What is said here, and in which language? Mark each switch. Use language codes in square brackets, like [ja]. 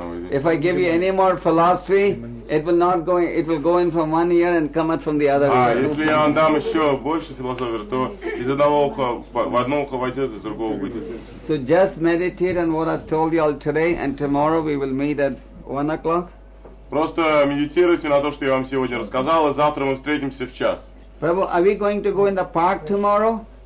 [en] If I give you any more philosophy, it will not go. It will go in from one ear and come out from the other ear. [ru] Если я вам дам еще больше философии, то из одного уха в одно ухо войдет, из другого выйдет. [en] So just meditate on what I've told you all today, and tomorrow we will meet at 1 o'clock. [ru] Просто медитируйте на то, что я вам сегодня рассказал, и завтра мы встретимся в час. [en] Prabhu, are we going to go in the park tomorrow?